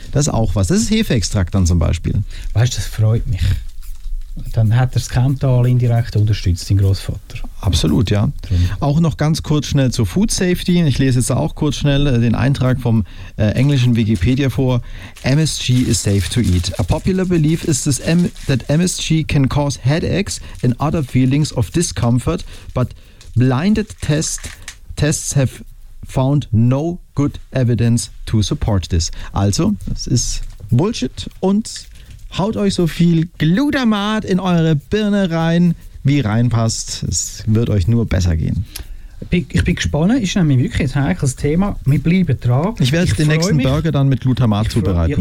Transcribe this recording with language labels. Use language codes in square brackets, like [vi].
[de] Das ist auch was. Das ist Hefeextrakt dann zum Beispiel. Weißt du, das freut mich. Dann hat er das Kemptal indirekt unterstützt, den Großvater. Absolut, ja. Auch noch ganz kurz schnell zur Food Safety. Ich lese jetzt auch kurz schnell den Eintrag vom englischen Wikipedia vor. [en] MSG is safe to eat. A popular belief is this that MSG can cause headaches and other feelings of discomfort, but blinded tests have found no good evidence to support this. [de] Also, das ist Bullshit und haut euch so viel Glutamat in eure Birne rein, wie reinpasst. Es wird euch nur besser gehen. Ich bin gespannt, ist nämlich wirklich ein heikles Thema. Wir bleiben dran. Ich werde den nächsten Burger dann mit Glutamat zubereiten.